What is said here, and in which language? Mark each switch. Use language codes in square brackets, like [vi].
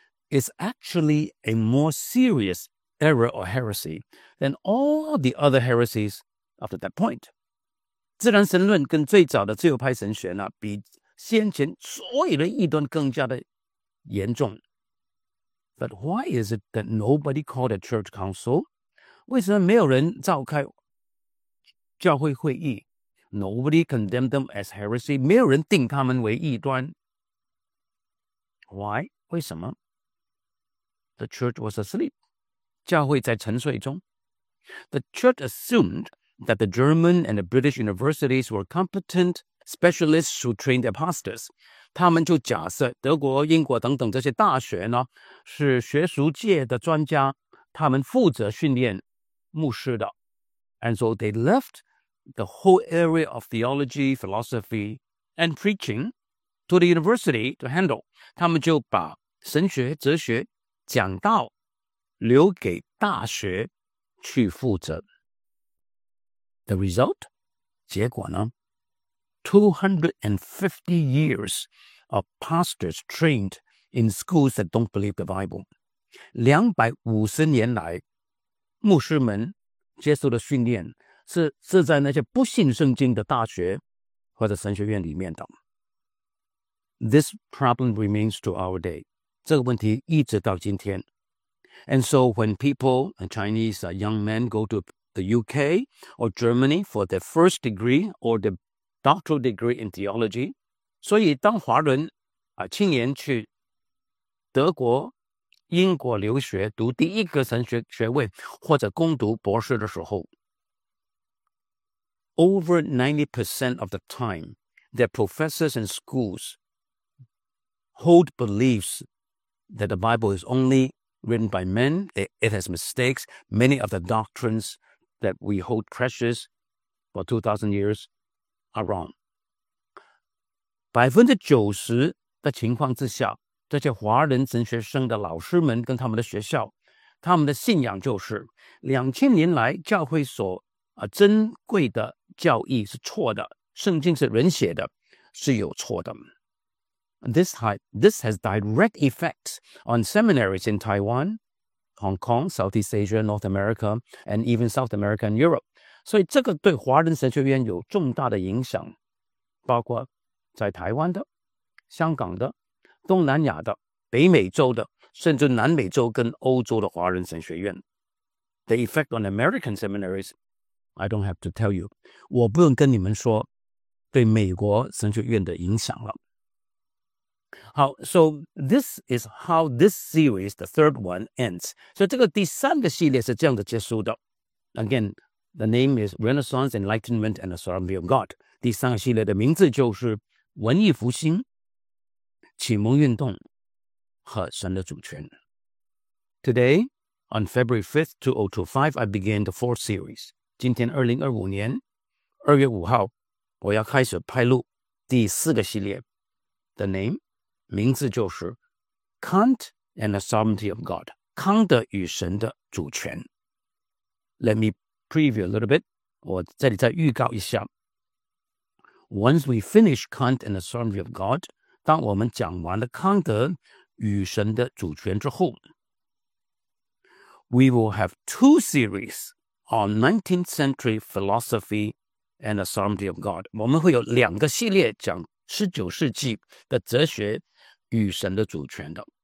[en] is actually a more serious error or heresy than all the other heresies after that point. [zh] 自然神论跟最早的自由派神学呢比先前所有的异端更加的严重。 [en] But why is it that nobody called a church council? [zh] 为什么没有人召开教会会议 [en] Nobody condemned them as heresy. [zh] 没有人定他们为异端。 [en] Why? [zh] 为什么? [en] The church was asleep. [zh] 教会在沉睡中。 [en] The church assumed that the German and the British universities were competent specialists who trained their pastors. [zh] 他们就假设德国、英国等等这些大学呢，是学术界的专家，他们负责训练牧师的。 [en] And so they left... The whole area of theology, philosophy, and preaching to the university to handle. [zh] 他们就把神学、哲学、讲道留给大学去负责。 [en] The result? [zh] 结果呢? [en] 250 years of pastors trained in schools that don't believe the Bible. [zh] 250年来，牧师们接受的训练是在那些不信圣经的大学或者神学院里面的。 [en] This problem remains to our day. [zh] 这个问题一直到今天。 [en] And so when people, Chinese young men, go to the UK or Germany for their first degree or their doctoral degree in theology, [zh] 所以当华人青年去德国、英国留学读第一个神学学位或者攻读博士的时候， [en] Over 90% of the time, their professors and schools hold beliefs that the Bible is only written by men, it has mistakes, many of the doctrines that we hold precious for 2,000 years are wrong. [zh] 90% 的情况之下，这些华人神学生的老师们跟他们的学校，他们的信仰就是2000年来教会所珍贵的教义是错的，圣经是人写的，是有错的。 [en] This has direct effects on seminaries in Taiwan, Hong Kong, Southeast Asia, North America, and even South America and Europe. [zh] 所以这个对华人神学院有重大的影响，包括在台湾的、香港的、东南亚的、北美洲的，甚至南美洲跟欧洲的华人神学院。 [en] The effect on American seminaries, I don't have to tell you. [zh] 我不用跟你们说对美国神学院的影响了。 [en] 好, so this is how this series, the third one, ends. [zh] 所以这个第三个系列是这样的结束的。 [en] Again, the name is Renaissance, Enlightenment, and the Sovereignty of God. [zh] 第三个系列的名字就是文艺复兴、启蒙运动和神的主权。 [en] Today, on February 5th, 2025, I begin the fourth series. [zh] 今天2025年2月5号，我要开始拍录第四个系列。 [en] The name? [zh] 名字就是 [en] Kant and the Sovereignty of God, [zh] 康德与神的主权。 [en] Let me preview a little bit, [zh] 我这里再预告一下。 [en] Once we finish Kant and the Sovereignty of God, [zh] 当我们讲完了康德与神的主权之后， [en] We will have two series on 19th century philosophy and the Sovereignty of God. [zh] 我们会有两个系列讲19世纪的哲学与神的主权的。